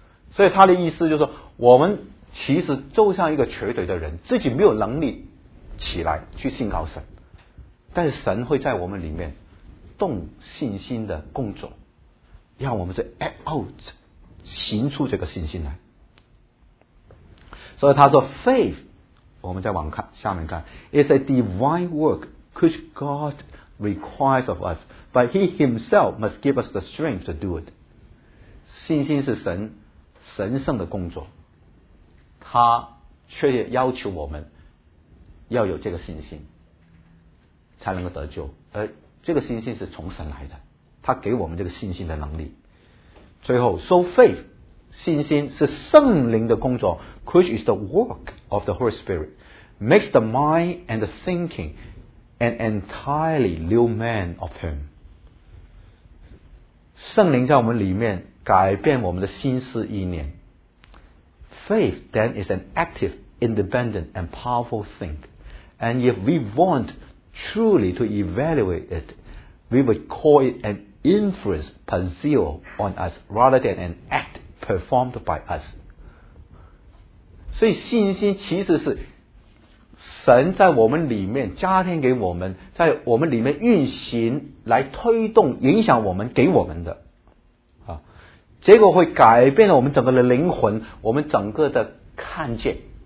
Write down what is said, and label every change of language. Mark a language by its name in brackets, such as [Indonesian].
[Chinese] 所以他的意思就是说，我们其实就像一个瘸腿的人，自己没有能力起来去信靠神，但是神会在我们里面动信心的工作，让我们就 act out 行出这个信心来。 [English] 所以他说 faith， [Chinese] 我们再往看下面看， [English] is a divine work which God requires of us， but he himself must give us the strength to do it。 [Chinese] 信心是神神圣的工作，他却要求我们要有这个信心才能够得救，而这个信心是从神来的，他给我们这个信心的能力。 [English] 最后 So faith [Chinese] 信心是圣灵的工作， [English] which is the work of the Holy Spirit makes the mind and the thinking an entirely new man of him。 [Chinese] 圣灵在我们里面改变我们的心思意念。 [English] Faith then is an active, independent, and powerful thing. And if we want truly to evaluate it, we would call it an inference pursued on us rather than an act performed by us. [Chinese] 所以信心其实是神在我们里面加添给我们，在我们里面运行来推动影响我们给我们的啊，结果会改变了我们整个的灵魂，我们整个的看见。